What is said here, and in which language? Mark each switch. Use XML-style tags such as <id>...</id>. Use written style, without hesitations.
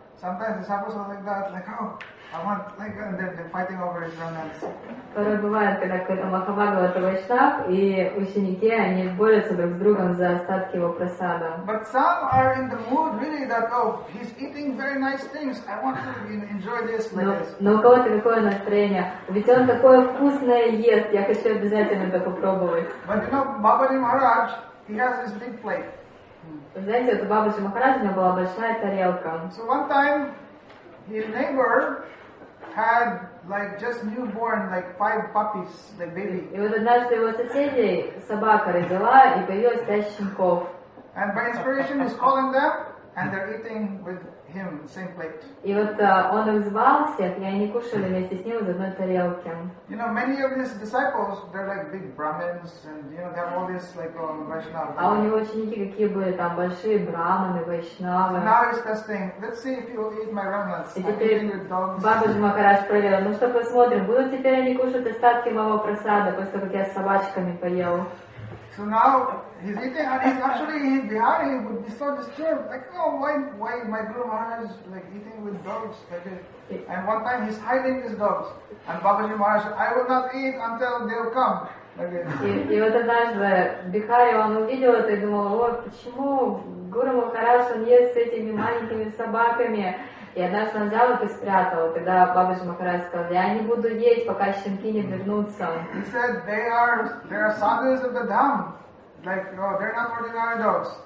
<en>Sometimes the disciples are like that, like, oh, I want, like, and they're fighting over his remnants.</en> <ru>Порой бывает, когда какой-то Махабхагават Вайшнав и ученики, они борются друг с другом за остатки его просада.</ru> <en>But some are in the mood, really, that, oh, he's eating very nice things, I want to enjoy this, like this.</en> <ru>Но у кого-то какое настроение? Ведь он такое вкусное ест, я хочу обязательно это попробовать.</ru> <en>But you know, Бабаджи Махарадж, he has this big plate.</en> <ru>Вы знаете, у Бабаджи Махараджа у него была большая тарелка.</ru> <en>So one time his neighbor had like just newborn, like five puppies, the baby.</en> <ru>И вот однажды его соседи собака родила и появилось 5 щенков.</ru> <en>And by inspiration he's calling them and they're eating with him same plate.</en> <ru>И вот он их звал всех, и они кушали вместе с ним из одной тарелки.</ru> <en>You know, many of his disciples, they're like big Brahmins, and you know, they have all this like Vaishnava.</en> <ru>А у него ученики какие были там большие Брахманы, Вайшнавы.</ru> <en>Now he's testing. Let's see if you'll eat my remnants.</en> <ru>И теперь Бабаджи Махарадж проверил. Ну что, посмотрим, будут теперь они кушать остатки моего просада после того, как я с собачками поел.</ru> <en>So now he's eating, and he's actually in Bihari, he would be so disturbed. Like, oh, why my Guru Maharaj is like eating with dogs? Like, and one time he's hiding his dogs. And Babaji Maharaj said, I will not eat until they'll come.</en> <ru>И вот однажды Бихари, он увидел это и думал, вот почему Гуру Махарадж, он ест с этими маленькими собаками. И однажды он взял их и спрятал, когда Бабаджи Махарадж сказал, я не буду есть, пока щенки не вернутся.</ru> <en>He said, they are sadhus of the dham. Like, no, they're not ordinary dogs.</en>